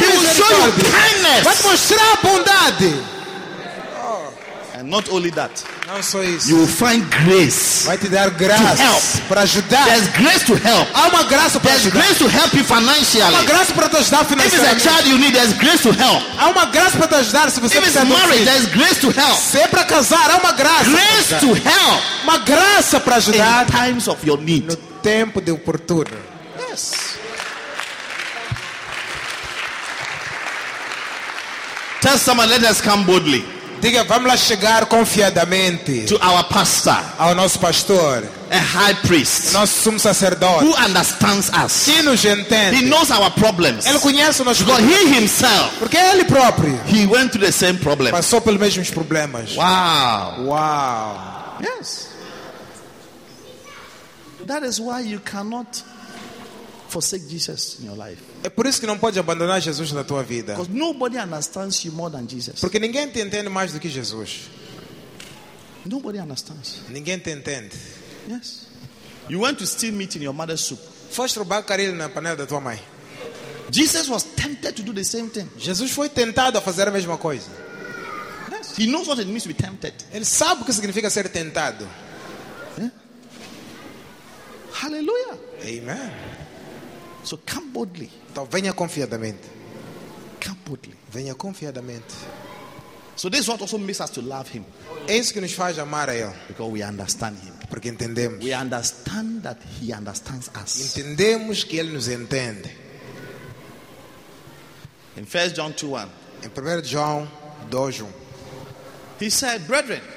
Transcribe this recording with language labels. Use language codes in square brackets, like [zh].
[pt] misericórdia. Vai te mostrar bondade. [en] Oh. And not only that. [pt] Não só isso. [en] You will find grace. [pt] Vai te dar graça para ajudar. [en] There's grace to help. [pt] Há uma graça para [en] ajudar. Grace to help you financially. [pt] Há uma graça para te ajudar financeiramente. [en] If it's a child you need, there's grace to help. [pt] Há uma graça para te ajudar se você precisa de um filho. [en] There's grace to help. [pt] Se é para casar, há uma graça. [en] Grace to help. [pt] Uma graça para ajudar. [en] In times of your need. [pt] No tempo de oportuno. [en] Tell someone, let us come boldly. [pt] Diga, vamos lá chegar confiadamente. [en] To our pastor, [pt] ao nosso pastor, [en] a high priest, [pt] nosso sumo sacerdote, [en] who understands us. [pt] Que nos entende. [en] He knows our problems. [pt] Ele conhece os nossos. [en] Because problemas. He himself, [pt] porque ele próprio, [en] he went through the same problem. [pt] Passou pelos mesmos problemas. [en] Wow. Wow. Yes. That is why you cannot forsake Jesus in your life. [pt] É por isso que não pode abandonar Jesus na tua vida. [en] Because nobody understands you more than Jesus. [pt] Porque ninguém te entende mais do que Jesus. [en] Nobody understands. [pt] Ninguém te entende. [en] Yes. You went to steal meat in your mother's soup. [pt] Foste roubar carne na panela da tua mãe. [en] Jesus was tempted to do the same thing. [pt] Jesus foi tentado a fazer a mesma coisa. [en] Yes. He knows what it means to be tempted. [pt] Ele sabe o que significa ser tentado. [en] Yeah. Hallelujah. Amen. So come boldly. [pt] Então venha confiadamente. [en] Come boldly. [pt] Venha confiadamente. [en] So this is what also makes us to love him. [pt] É isso que nos faz amar a ele. [en] Because we understand him. [pt] Porque entendemos. [en] We understand that he understands us. [pt] Entendemos que ele nos entende. [en] In 1 John 2:1. [pt] Em 1 João 2:1. [en] He said, brethren,